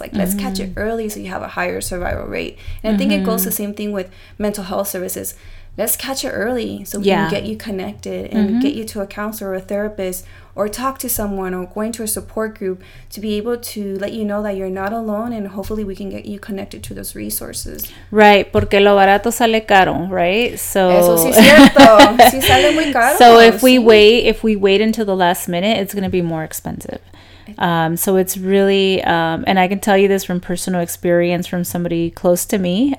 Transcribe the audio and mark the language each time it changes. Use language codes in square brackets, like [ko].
[en] Like, mm-hmm. let's catch it early so you have a higher survival rate. And I think mm-hmm. it goes the same thing with mental health services. let's catch it early so we can get you connected and get you to a counselor or a therapist or talk to someone or going to a support group to be able to let you know that you're not alone and hopefully we can get you connected to those resources. [es] Right, porque lo barato sale caro, right? So eso sí es cierto. Sí sale muy caro. [en] So if we wait, until the last minute, it's going to be more expensive. So it's really, and I can tell you this from personal experience from somebody close to me.